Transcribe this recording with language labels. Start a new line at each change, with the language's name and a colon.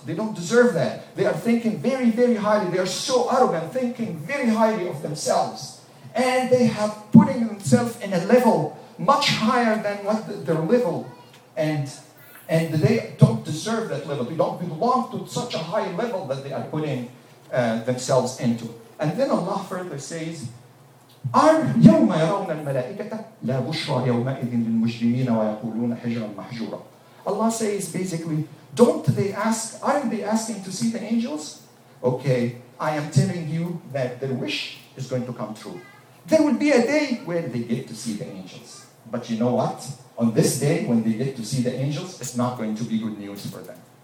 English: They don't deserve that. They are thinking very, very highly. They are so arrogant, thinking very highly of themselves. And they have putting themselves in a level much higher than what their level. And they don't deserve that level. They don't belong to such a high level that they are putting themselves into. And then Allah further says,
Arabic: يَوْمَ يَرَوْنَ الْمَلَائِكَةَ لَا بُشْرَى يَوْمَئِذٍ لِلْمُجْرِمِينَ وَيَقُولُونَ حِجْرًا مَحْجُورًا.
English: Allah says basically, aren't they asking to see the angels? Okay, I am telling you that their wish is going to come true. There will be a day where they get to see the angels. But you know what? On this day, when they get to see the angels, it's not going to be good news for them.